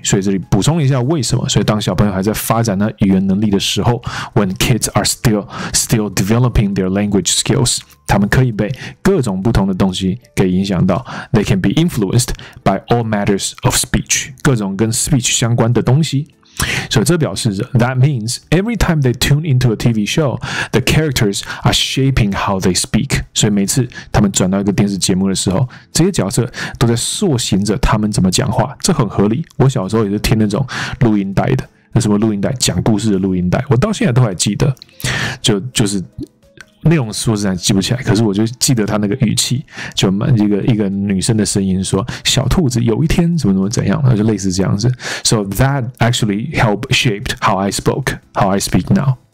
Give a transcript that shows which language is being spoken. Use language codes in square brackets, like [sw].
[zh] 所以这里补充一下为什么。所以当小朋友还在发展那语言能力的时候 ， [en] when kids are still developing their language skills， [zh] 他们可以被各种不同的东西给影响到。 [en] They can be influenced by all matters of speech， [zh] 各种跟 speech 相关的东西。所以这表示着 [en] ，That means every time they tune into a TV show, the characters are shaping how they speak. [zh] 所以每次他们转到一个电视节目的时候，这些角色都在塑形着他们怎么讲话。这很合理。我小时候也是听那种录音带的，那什么录音带，讲故事的录音带，我到现在都还记得。就是内容说实在记不起来，可是我就记得他那个语气，就一个女生的声音说：“小兔子有一天怎么怎么怎样。” 就类似这样子。 [en] So that actually helped shaped how I spoke, how I speak now.